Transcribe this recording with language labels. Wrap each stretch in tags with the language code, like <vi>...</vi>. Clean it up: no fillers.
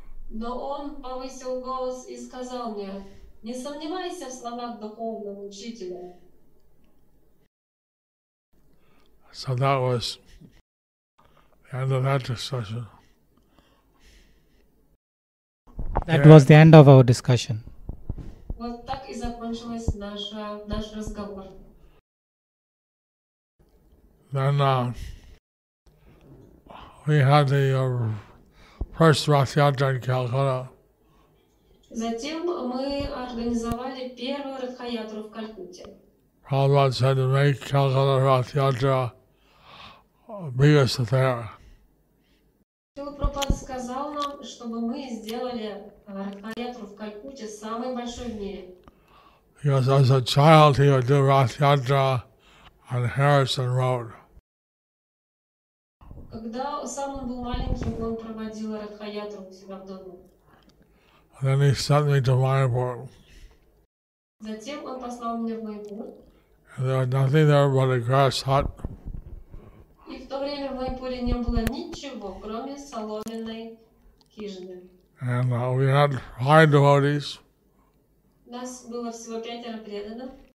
<ru>Но он повысил голос и сказал мне, не сомневайся в словах духовного учителя.</ru> <en>So that was the end of that discussion. That was the end of our discussion.</en> <ru>Вот так и закончилась наш разговор.</ru> <en>Then we had the first Rath Yatra in Calcutta.</en> <ru>Затем мы организовали первую Ратха-Ятру в Калькутте.</ru> <en>Prabhupada said to make Calcutta Rath Yatra biggest affair.</en> <ru>Шрила Прабхупада сказал нам, чтобы мы сделали Ратха-Ятру в Калькутте самой большой в мире.</ru> <en>Because as a child he would do Rath Yatra on Harrison Road.</en> <ru>Когда сам он был маленьким, он проводил Ратха-Ятру у себя в доме.</ru> <en>And then he sent me to Mayapur.</en> <ru>Затем он послал меня в Майпур.</ru> <en>And there was nothing there but a grass hut.</en> <ru>И в то время в Майпуре не было ничего, кроме соломенной хижины.</ru> <en>And we had 5 devotees.</en> <ru>У нас было всего 5 преданных.</ru>